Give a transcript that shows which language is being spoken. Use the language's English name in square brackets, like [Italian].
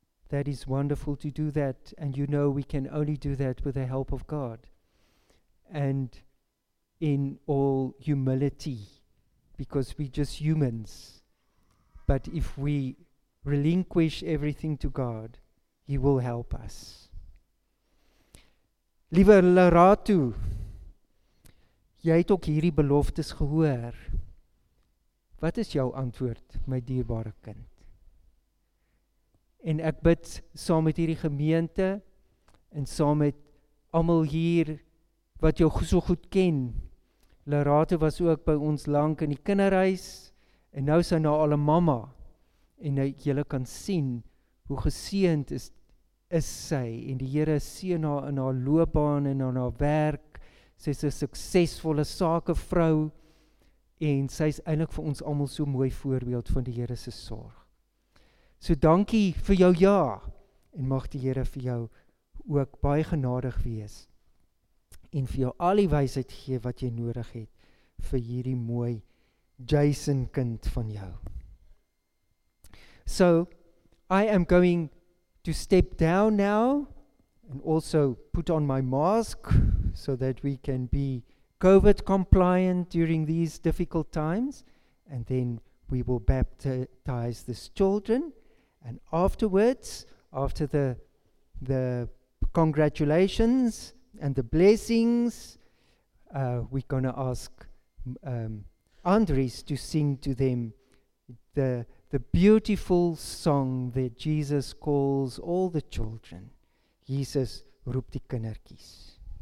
[English] That is wonderful to do that, and you know we can only do that with the help of God and in all humility, because we're just humans. But if we relinquish everything to God, He will help us. [Afrikaans] Liewe Lerato, jy het ook hierdie beloftes gehoor. Wat is jou antwoord, my dierbare kind? En ek bid saam met hierdie gemeente en saam met almal hier wat jou so goed ken. Lerato was ook by ons lank in die kinderhuis en nou is hy nou al 'n mamma. En nou julle kan sien hoe geseend is sy, en die Here seën haar in haar loopbaan en in haar werk. Sy is 'n suksesvolle sakevrou en sy is eintlik vir ons almal so mooi voorbeeld van die Here se sorg. So dankie vir jou ja, en mag die Here vir jou ook baie genadig wees en vir jou al die wysheid gee wat jy nodig het vir hierdie mooi Jason kind van jou. [English] So, I am going to step down now and also put on my mask so that we can be COVID compliant during these difficult times, and then we will baptize these children. And afterwards, after the congratulations and the blessings, we're going to ask Andries to sing to them the beautiful song that Jesus calls all the children. [Afrikaans] Jesus roep die kindertjies.